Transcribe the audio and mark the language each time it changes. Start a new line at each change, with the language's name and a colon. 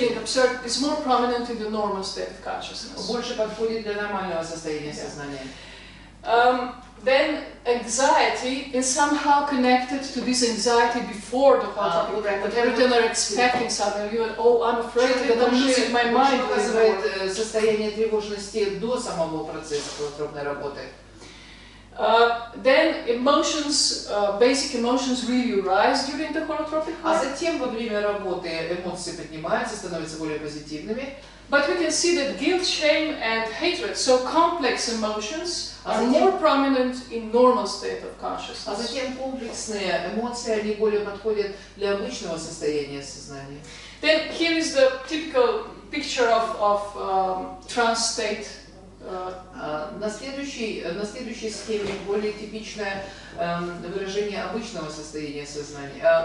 English: Feeling absurd is more prominent in the normal state of consciousness.
Russian: Больше подходит для нормального состояния сознания.
English: Then anxiety is somehow connected to this anxiety before the hot topic breakthrough. Every time they're expecting something, you're like, oh, I'm afraid that I'm losing my mind.
Russian: Что вызывает состояние тревожности до самого процесса холотропной работы?
English: Then emotions, basic emotions really rise during the holotropic work.
Russian: А затем во время работы эмоции поднимаются, становятся более позитивными.
English: But we can see that guilt, shame and hatred, so complex emotions, are more prominent in normal state of consciousness.
Russian: А затем комплексные эмоции, они более подходят для обычного состояния сознания.
English: Then here is the typical picture of trance state.
Russian: На следующей схеме более типичное выражение обычного состояния сознания.